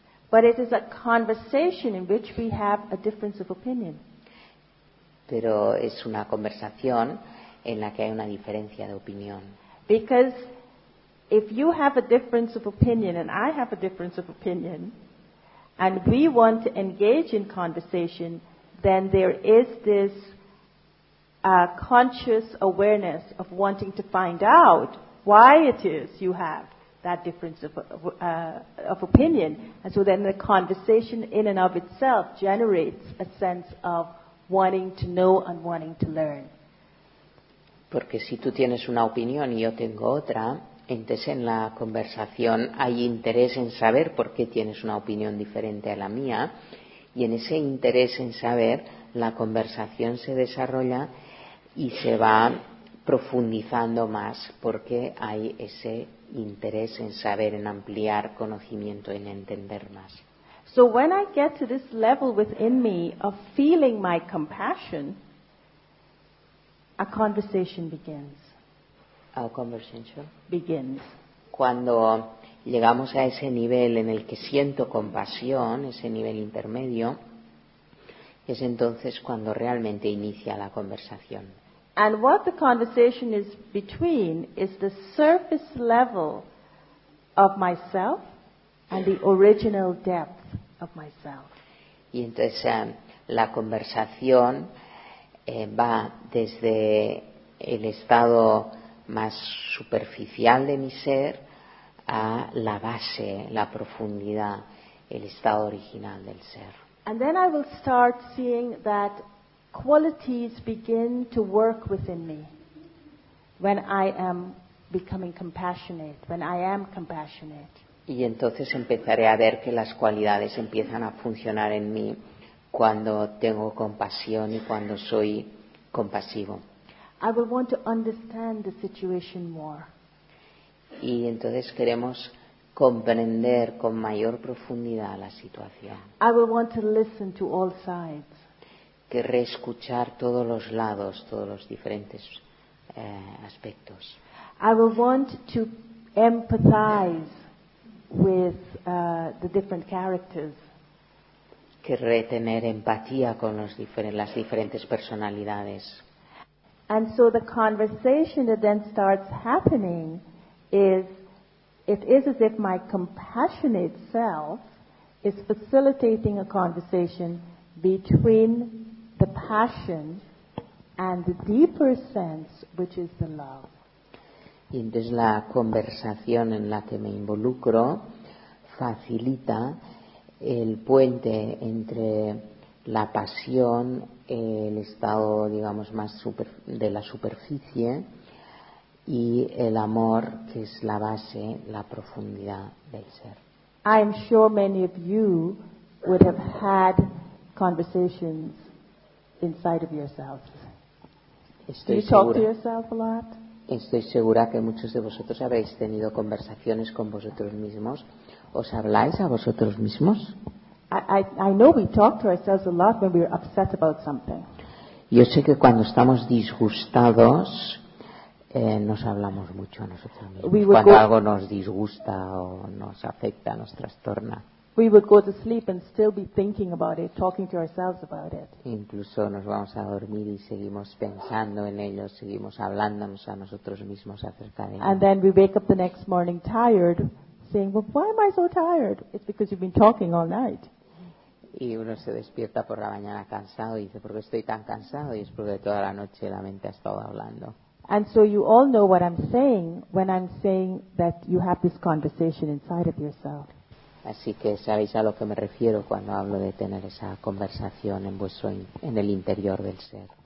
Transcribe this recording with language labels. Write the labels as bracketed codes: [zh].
[en] But it is a conversation in which we have a difference of opinion. [es] Pero es una conversación en la que hay una diferencia de opinión. [en] Because if you have a difference of opinion and I have a difference of opinion and we want to engage in conversation, then there is this conscious awareness of wanting to find out why it is you have that difference of opinion. And so then the conversation in and of itself generates a sense of wanting to know and wanting to learn. [es] Porque si tú tienes una opinión y yo tengo otra, entonces en la conversación hay interés en saber por qué tienes una opinión diferente a la mía, y en ese interés en saber la conversación se desarrolla y se va profundizando más porque hay ese interés en saber, en ampliar conocimiento, en entender más. [en] So when I get to this level within me of feeling my compassion, a conversation begins. A conversation begins. [es] Cuando llegamos a ese nivel en el que siento compasión, ese nivel intermedio, es entonces cuando realmente inicia la conversación. [en] And what the conversation is between is the surface level of myself and the original depth of myself. [es] Y entonces la conversación va desde el estado más superficial de mi ser a la base, la profundidad, el estado original del ser. [en] And then I will start seeing that qualities begin to work within me when I am becoming compassionate, when I am compassionate. [es] Y entonces empezaré a ver que las cualidades empiezan a funcionar en mí cuando tengo compasión y cuando soy compasivo. [en] I will want to understand the situation more. [es] Y entonces queremos comprender con mayor profundidad la situación. [en] I will want to listen to all sides. [es] Querré escuchar todos los lados, todos los diferentes aspectos. [en] I will want to empathize with the different characters. [es] Querré tener empatía con las diferentes personalidades. [en] And so the conversation that then starts happening is, it is as if my compassionate self is facilitating a conversation between the passion and the deeper sense, which is the love. [es] Y entonces la conversación en la que me involucro facilita el puente entre la pasión, el estado, digamos, más de la superficie, y el amor, que es la base, la profundidad del ser. [en] I am sure many of you would have had conversations inside of yourself. Do you talk to yourself a lot? [es] Estoy segura que muchos de vosotros habéis tenido conversaciones con vosotros mismos. ¿Os habláis a vosotros mismos? [en] I know we talk to ourselves a lot when we're upset about something. [es] Yo sé que cuando estamos disgustados nos hablamos mucho a nosotros mismos. Cuando algo nos disgusta o nos afecta, nos trastorna. [en] We would go to sleep and still be thinking about it, talking to ourselves about it. [es] Incluso nos vamos a dormir y seguimos pensando en ello, seguimos hablándonos a nosotros mismos acerca de ello. [en] And then we wake up the next morning tired, saying, "Well, why am I so tired? It's because you've been talking all night." [es] Y uno se despierta por la mañana cansado y dice, "¿Por qué estoy tan cansado?" Y es porque toda la noche la mente ha estado hablando. [en] And so you all know what I'm saying when I'm saying that you have this conversation inside of yourself. [es] Así que sabéis a lo que me refiero cuando hablo de tener esa conversación en vuestro en el interior del ser.